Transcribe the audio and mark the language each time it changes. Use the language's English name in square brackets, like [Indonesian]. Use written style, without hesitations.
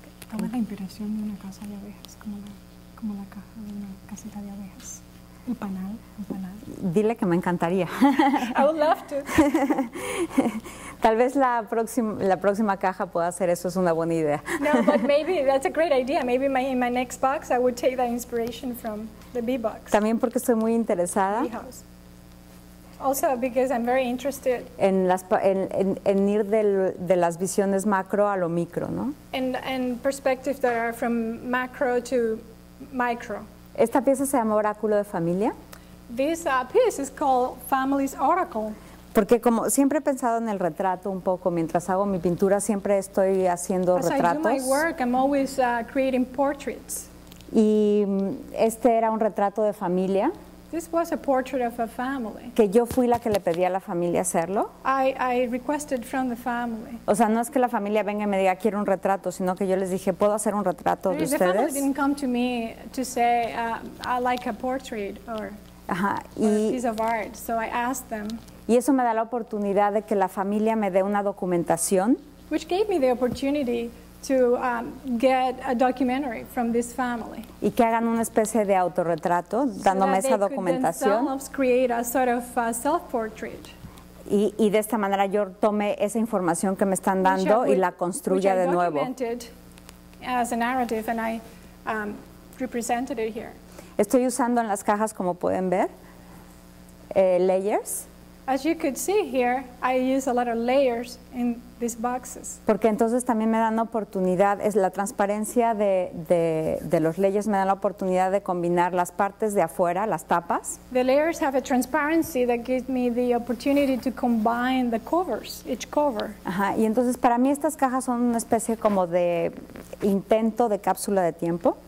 [Spanish] Toma la impresión de una casa de abejas, como la caja de una casita de abejas. El panal. Dile que me encantaría. [English] I would love to. [Spanish] Tal vez la próxima caja pueda hacer eso, es una buena idea. [English] No, but maybe that's a great idea. Maybe in my next box I would take that inspiration from the bee box. [Spanish] También porque estoy muy interesada. [English] Bee house. Also because I'm very interested [Spanish] en ir de las visiones macro a lo micro, ¿no? [English] And perspectives that are from macro to micro. [Spanish] Esta pieza se llama Oráculo de Familia. [English] This piece is called Family's Oracle. [Spanish] Porque como siempre he pensado en el retrato un poco, mientras hago mi pintura siempre estoy haciendo [English] As [Spanish] retratos. [English] As I do my work, I'm always creating portraits. [Spanish] Y este era un retrato de familia. [English] This was a portrait of a family. [Spanish] Que yo fui la que le pedí a la familia hacerlo. [English] I requested from the family. [Spanish] O sea, no es que la familia venga y me diga quiero un retrato, sino que yo les dije puedo hacer un retrato de ustedes. [English] The family didn't come to me to say I like a portrait or, ajá, or a piece of art, so I asked them. [Spanish] Y eso me da la oportunidad de que la familia me dé una documentación. [English] Which gave me the opportunity to get a documentary from this family. [Spanish] Y que hagan una especie de autorretrato dándome esa documentación. [English] So that they could themselves create a sort of self-portrait. [Spanish] Y de esta manera yo tome esa información que me están dando y la construya de nuevo. [English] Which I documented as a narrative and I represented it here. [Spanish] Estoy usando en las cajas, como pueden ver, layers. [English] As you could see here, I use a lot of layers in these boxes. [Spanish] Porque entonces también me dan oportunidad, es la transparencia de los layers me dan la oportunidad de combinar las partes de afuera, las tapas. [English] The layers have a transparency that gives me the opportunity to combine the covers, each cover. [Spanish] Ajá, y entonces para mí estas cajas son una especie como de intento de cápsula de tiempo.